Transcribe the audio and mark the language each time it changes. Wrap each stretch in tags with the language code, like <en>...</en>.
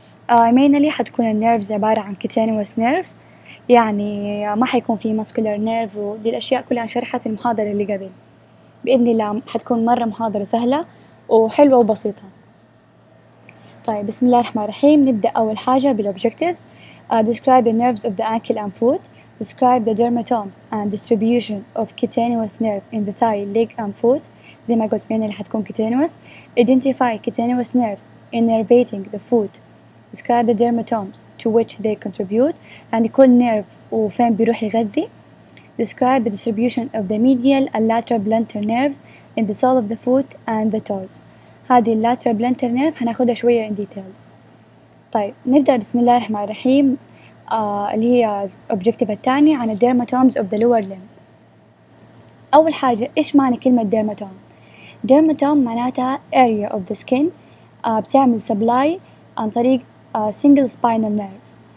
<ar>Mainly حتكون الـ Nerves عبارة عن Cutaneous Nerve، يعني ما حيكون فيه Muscular Nerve، ودي الأشياء كلها شرحت المحاضرة اللي قبل. بإذن الله حتكون مرة محاضرة سهلة وحلوة وبسيطة. طيب بسم الله الرحمن الرحيم، نبدأ أول حاجة بالـ Objectives.</ar> <en>Describe the nerves of the ankle and foot. Describe the dermatomes and distribution of cutaneous nerve in the thigh, leg and foot.</en> <ar>زي ما قلت مين اللي حتكون cutaneous.</ar> <en>Identify cutaneous nerves innervating the foot. Describe the dermatomes to which they contribute.</en> <ar>يعني كل nerve وفين بيروح يغذي.</ar> <en>Describe the distribution of the medial and lateral plantar nerves in the sole of the foot and the toes.</en> <ar>هذه</ar> <en>lateral plantar nerve</en> <ar>هناخدها شوية</ar> <en>in details.</en> <ar>طيب نبدأ بسم الله الرحمن الرحيم. اللي هي الأوبجكتيف الثاني عن الديرماتومز</ar> <en>of the lower limb.</en> <ar>أول حاجة إيش معنى كلمة ديرماتوم؟ ديرماتوم معناتها</ar> <en>area of the skin</en> <ar>بتعمل supply عن طريق</ar> <en>single spinal nerve.</en>